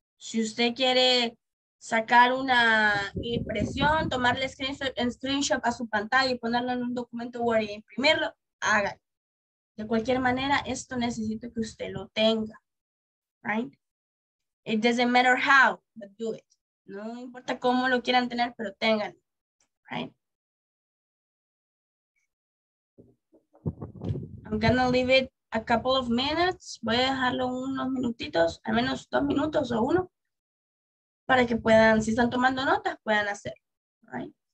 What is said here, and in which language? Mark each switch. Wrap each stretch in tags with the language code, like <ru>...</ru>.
<es>Si usted quiere sacar una impresión, tomarle screenshot a su pantalla y ponerlo en un documento Word y imprimirlo, hágalo. De cualquier manera, esto necesito que usted lo tenga, right?</es> <en>It doesn't matter how, but do it.</en> <es>No importa cómo lo quieran tener, pero ténganlo, right?</es> <en>I'm gonna leave it a couple of minutes.</en> <es>Voy a dejarlo unos minutitos, al menos 2 minutos o uno, para que puedan, si están tomando notas, puedan hacer, right?</es>